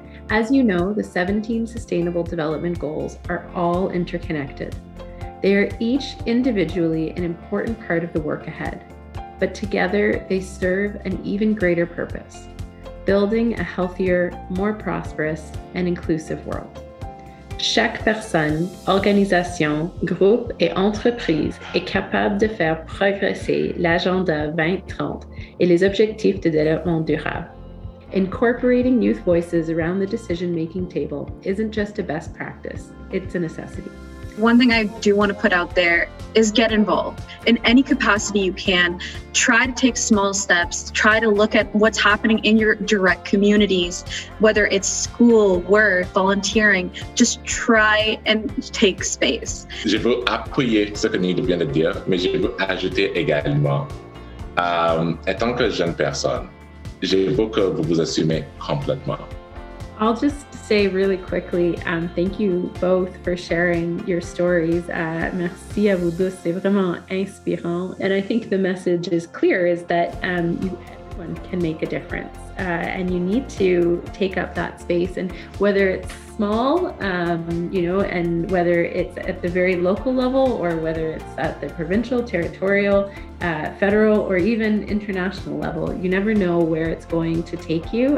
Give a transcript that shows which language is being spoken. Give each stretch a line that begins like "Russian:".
English: As you know, the 17 Sustainable Development Goals are all interconnected. They are each individually an important part of the work ahead, but together they serve an even greater purpose: building a healthier, more prosperous, and inclusive world.
French: Chaque personne, organisation, groupe et entreprise est capable de faire progresser l'agenda 2030 et les objectifs de développement durable.
English: Incorporating youth voices around the decision-making table isn't just a best practice, it's a necessity. One thing I do want to put out there is get involved in any capacity you can. Try to take small steps, try to look at what's happening in your direct communities, whether it's school, work, volunteering, just try and take space.
French: Je veux appuyer ce que Nidu vient de dire, mais je veux ajouter également, étant que jeune personne, je veux que vous vous assumez complètement.
English: I'll just say really quickly, thank you both for sharing your stories.
French: Merci à vous deux, c'est vraiment inspirant.
English: And I think the message is clear, is that everyone can make a difference. And you need to take up that space. And whether it's small, and whether it's at the very local level, or whether it's at the provincial, territorial, federal, or even international level, you never know where it's going to take you.